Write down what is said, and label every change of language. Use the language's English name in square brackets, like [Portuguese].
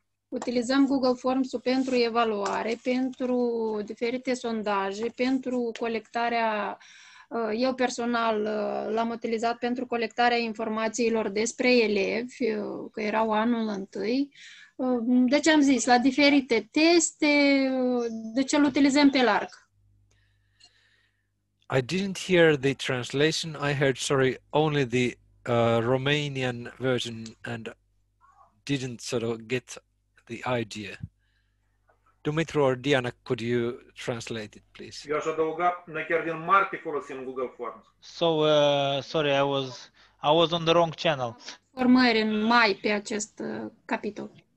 [Romanian] Utilizăm Google Forms pentru evaluare, pentru diferite sondaje, pentru colectarea, eu personal l-am utilizat pentru colectarea informațiilor despre elevi, că erau anul întâi. Deci am zis, la diferite teste, de ce îl utilizăm pe larg? [English] I didn't hear the translation. I heard, sorry, only the Romanian version and didn't sort of get the idea. Dumitru or Diana, could you translate it, please? [Romanian] Eu aș adăuga, noi chiar din martie folosim Google Forms. [English] So, sorry, I was on the wrong channel. [Romanian] Formări în mai pe acest capitol.